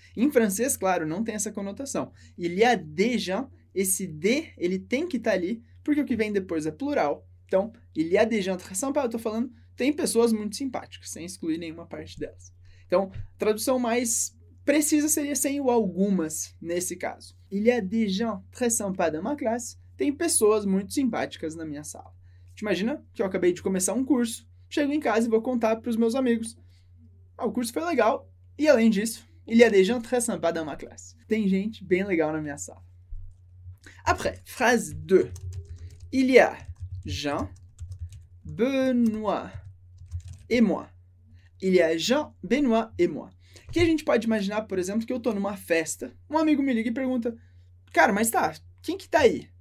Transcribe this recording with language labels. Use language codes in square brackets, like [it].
[pt] Em francês, claro, não tem essa conotação. [fr] Il y a des gens, [pt] esse de, ele tem que estar ali, porque o que vem depois é plural. Então, [fr] il y a des gens très sympas, [pt] eu estou falando, tem pessoas muito simpáticas, sem excluir nenhuma parte delas. Então, tradução mais Precisa seria sem o algumas, nesse caso. [fr] Il y a des gens très sympas dans ma classe. [pt] Tem pessoas muito simpáticas na minha sala. Te imagina que eu acabei de começar um curso. Chego em casa e vou contar para os meus amigos. Ah, o curso foi legal. E além disso, [fr] il y a des gens très sympas dans ma classe. [pt] Tem gente bem legal na minha sala. [fr] Après, phrase 2. Il y a Jean, Benoît et moi. Il y a Jean, Benoît et moi. [pt] Que a gente pode imaginar, por exemplo, que eu tô numa festa, um amigo me liga e pergunta: Cara, mas tá, quem que tá aí?